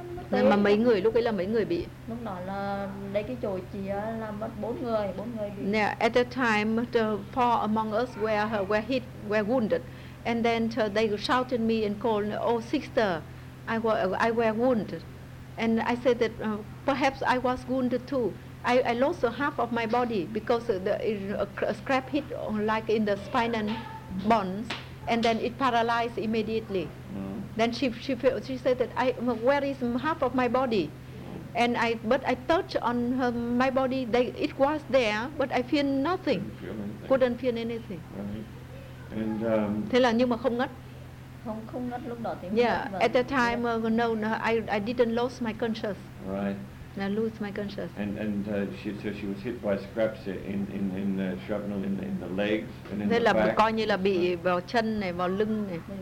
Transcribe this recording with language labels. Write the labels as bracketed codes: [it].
[vi] Mà mấy người lúc ấy là mấy người bị? Lúc đó là lấy cái chỗ chị là mất bốn người bị. [en] Yeah, at the time the four among us were wounded. And then they shouted me and called, "Oh, sister, I were wounded," and I said that perhaps I was wounded too. I lost half of my body because a scrap hit like in the spinal bones, and then it paralyzed immediately. Then she said that I, where is half of my body? And I touched on my body. It was there, but I feel nothing. Couldn't feel anything. Right. [vi] Thế là nhưng mà không ngất. Không ngất lúc đó thì không. [en] Yeah, at that time I didn't lose my conscious. Right. I lose my conscious. And she was hit by scraps in the shrapnel in the legs and in [vi] thế [en] the [vi] là [en] back. [vi] Coi như là bị vào chân này, vào lưng này.